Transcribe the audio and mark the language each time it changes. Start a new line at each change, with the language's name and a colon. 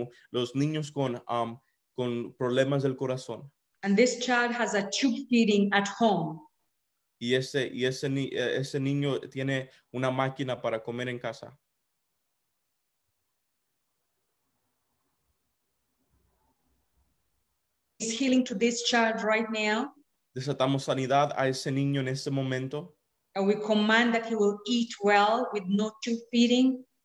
Spanish: Los niños con problemas del corazón.
English: And this child has a tube feeding at home.
Spanish: Y ese niño tiene una máquina para comer en casa.
English: Is healing to this child right now.
Spanish: Desatamos sanidad a ese niño en ese momento.
English: And we command that he will eat well with no tube feeding.